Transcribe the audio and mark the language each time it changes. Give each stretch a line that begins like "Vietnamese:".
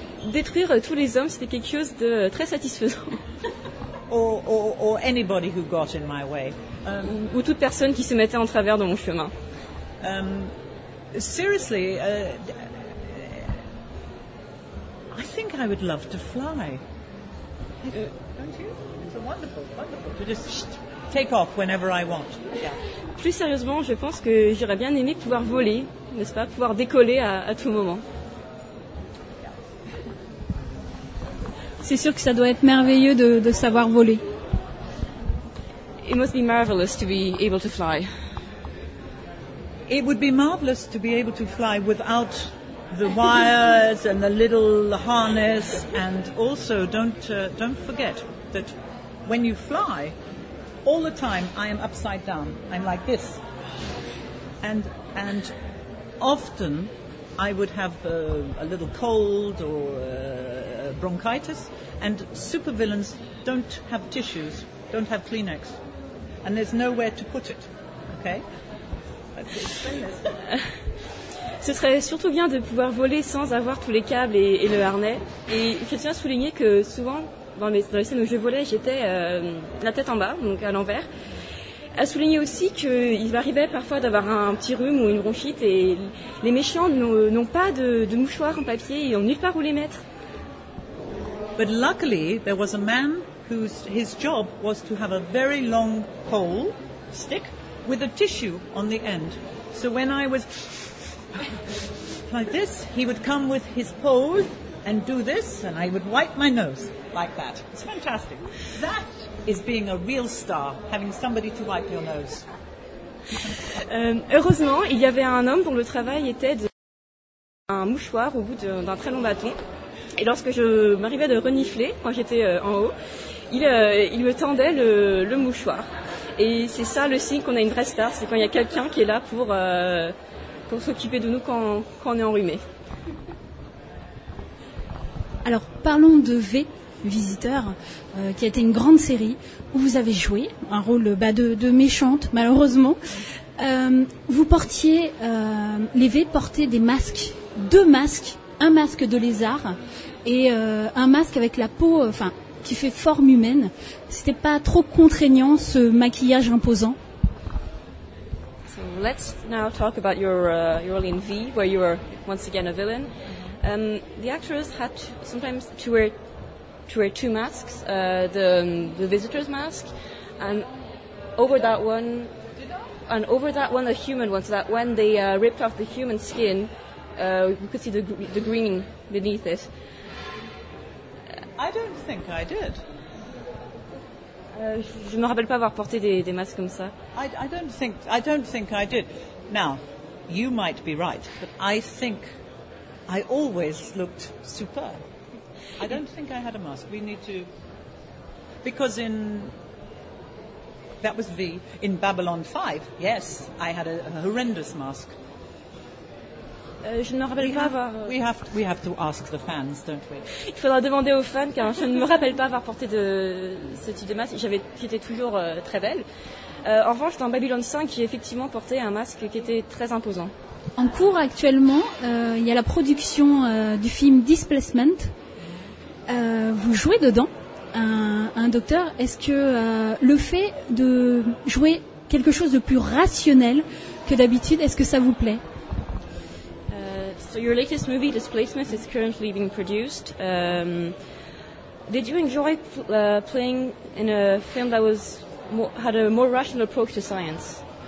French: Détruire tous les hommes, c'était quelque chose de très satisfaisant.
English: or anybody who got in my way.
French: Ou toute personne qui se mettait en travers de mon chemin.
English: Seriously, I think I would love to fly. Don't you? It's wonderful to just take off whenever I want.
French: Plus sérieusement, je pense que j'aurais bien aimé pouvoir voler, n'est-ce pas, pouvoir décoller à tout moment. C'est sûr que ça doit être merveilleux de savoir voler.
English: It must be marvelous to be able to fly. It would be marvelous to be able to fly without the wires and the little harness, and also don't forget that when you fly, all the time I am upside down. I'm like this, and often I would have a little cold or bronchitis. And supervillains don't have tissues, don't have Kleenex, and there's nowhere to put it. Okay.
French: Ce serait surtout bien de pouvoir voler sans avoir tous les câbles et le harnais. Et je tiens à souligner que souvent, dans les scènes où je volais, j'étais la tête en bas, donc à l'envers. À souligner aussi qu'il m'arrivait parfois d'avoir un petit rhume ou une bronchite, et les méchants n'ont pas de mouchoirs en papier et n'ont nulle part où les mettre.
English: But luckily, there was a man whose his job was to have a very long pole stick with a tissue on the end. So when I was like this, he would come with his pole and do this, and I would wipe my nose like that. It's fantastic. That is being a real star, having somebody to wipe your nose.
French: Heureusement, il y avait un homme dont le travail était de un mouchoir au bout d'un très long bâton. Et lorsque je m'arrivais de renifler, quand j'étais en haut, il me tendait le mouchoir. Et c'est ça le signe qu'on a une vraie star, c'est quand il y a quelqu'un qui est là pour s'occuper de nous quand on est enrhumé. Alors, parlons de V, Visiteur, qui a été une grande série, où vous avez joué un rôle de méchante, malheureusement. Vous portiez, les V portaient des masques, deux masques, un masque de lézard et un masque avec la peau, enfin, qui fait forme humaine. C'était pas trop contraignant, ce maquillage imposant?
English: So let's now talk about your role in V, where you are once again a villain. The actors had to wear two masks, the visitor's mask, and over that one, a human one. So that when they ripped off the human skin, we could see the green beneath it. I don't think I did.
French: Je ne me rappelle pas avoir porté des masques comme ça.
English: I don't think I did. Now, you might be right, but I think I always looked superb. I don't think I had a mask. We need to... Because in... That was V. In Babylon 5, yes, I had a horrendous mask.
French: Je ne me rappelle pas avoir...
English: We have to ask the fans, don't we?
French: Il faudra demander aux fans, car je ne me rappelle pas avoir porté de ce type de masque. J'étais toujours très belle. En revanche, dans Babylon 5, j'ai effectivement porté un masque qui était très imposant. En cours actuellement, il y a la production du film Displacement. Vous jouez dedans, un docteur. Est-ce que le fait de jouer quelque chose de plus rationnel que d'habitude, est-ce que ça vous plaît?
English: So your latest movie, Displacement, is currently being produced. Did you enjoy playing in a film that had a more rational approach to science?